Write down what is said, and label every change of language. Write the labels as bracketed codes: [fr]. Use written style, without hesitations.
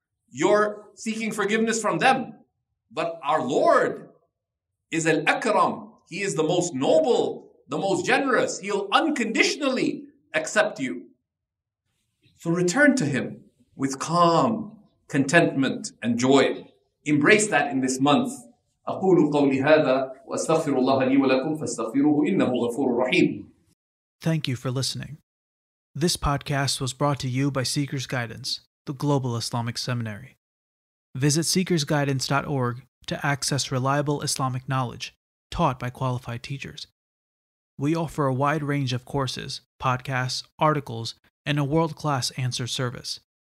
[en] You're seeking forgiveness from them. But our Lord is Al-Akram. He is the most noble, the most generous. He'll unconditionally accept you. So return to Him with calm, contentment, and joy. Embrace that in this month. [ar] أقول قولي هذا وأستغفر الله لي ولكم فاستغفروه إنه غفور رحيم. [en] Thank you for listening. This podcast was brought to you by Seekers Guidance, the Global Islamic Seminary. Visit seekersguidance.org to access reliable Islamic knowledge taught by qualified teachers. We offer a wide range of courses, podcasts, articles, and a world-class answer service.